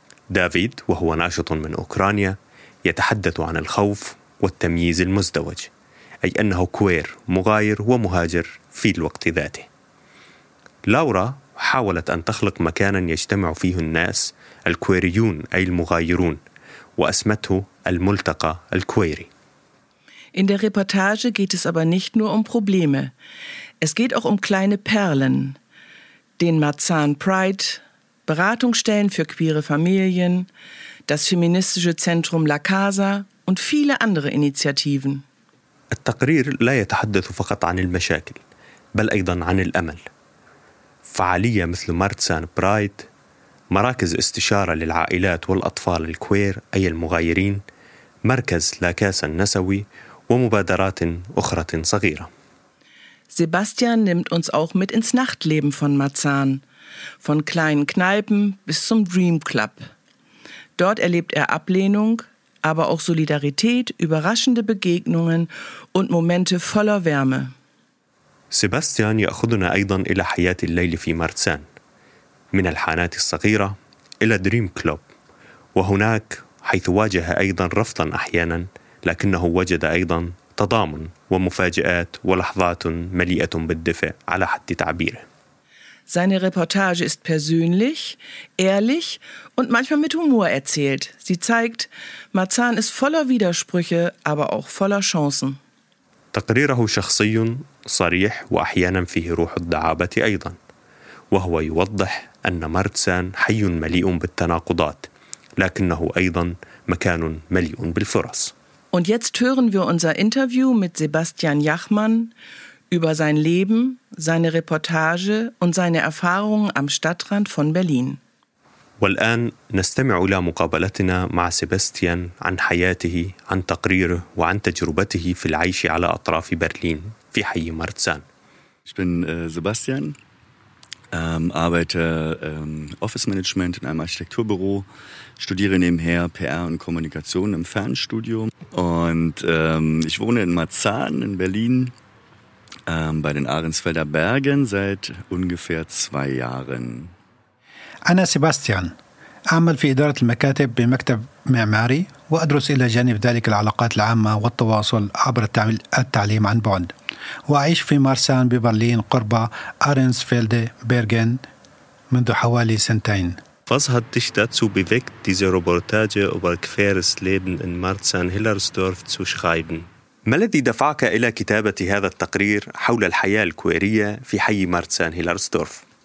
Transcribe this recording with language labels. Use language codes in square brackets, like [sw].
[ar] دافيد وهو ناشط من أوكرانيا يتحدث عن الخوف والتمييز المزدوج، أي أنه كوير مغاير ومهاجر في الوقت ذاته. لورا حاولت أن تخلق مكانا يجتمع فيه الناس الكويريون أي المغايرون، وأسمته الملتقى الكويري. [de] In der Reportage geht es aber nicht nur um Probleme. Es geht auch um kleine Perlen. Den Marzahn Pride, Beratungsstellen für queere Familien, das feministische Zentrum La Casa und viele andere Initiativen. [ar] التقرير لا يتحدث فقط عن المشاكل، بل أيضا عن الأمل. فعالية مثل مارتسان برايد، مراكز استشارة للعائلات والأطفال الكوير أي المغايرين، مركز لاكاسا النسوي ومبادرات أخرى صغيرة. [de] Sebastian nimmt uns auch mit ins Nachtleben von Marzahn, von kleinen Kneipen bis zum Dream Club. Dort erlebt er Ablehnung, aber auch Solidarität, überraschende Begegnungen und Momente voller Wärme. [ar] Sebastian يأخذنا أيضا إلى حياة الليل في مارتسان، من الحانات الصغيرة إلى دريم كلوب، وهناك حيث واجه أيضا رفضا أحيانا، لكنه وجد أيضا تضامن ومفاجآت ولحظات مليئة بالدفء على حد تعبيره. [de] Seine Reportage ist persönlich, ehrlich und manchmal mit Humor erzählt. Sie zeigt, Marzahn ist voller Widersprüche, aber auch voller Chancen. [ar] تقريره شخصي صريح وأحيانا فيه روح الدعابة أيضا، وهو يوضح أن مارتسان حي مليء بالتناقضات، لكنه أيضا مكان مليء بالفرص. [de] Und jetzt hören wir unser Interview mit Sebastian Jachmann über sein Leben, seine Reportage und seine Erfahrungen am Stadtrand von Berlin. [ar] والآن نستمع إلى مقابلتنا مع سيباستيان عن حياته، عن تقريره وعن تجربته في العيش على أطراف برلين في حي مارتسان. [de] Ich bin Sebastian, arbeite Office Management in einem Architekturbüro, studiere nebenher PR und Kommunikation im Fernstudium und ich wohne in Marzahn in Berlin bei den Ahrensfelder Bergen seit ungefähr 2 Jahren. [ar] أنا سيباستيان، أعمل في إدارة المكاتب بمكتب معماري وأدرس إلى جانب ذلك العلاقات العامة والتواصل عبر التعليم عن بعد، وأعيش في مارسان ببرلين قرب أرنسفيلد بيرغن منذ حوالي 2 سنين. [de] Was hat dich dazu bewegt, diese Reportage über queeres Leben in Marzahn-Hillersdorf zu schreiben؟ [ar] ما الذي دفعك إلى كتابة هذا التقرير حول الحياة الكويرية في حي مارسان-هيلرسدورف؟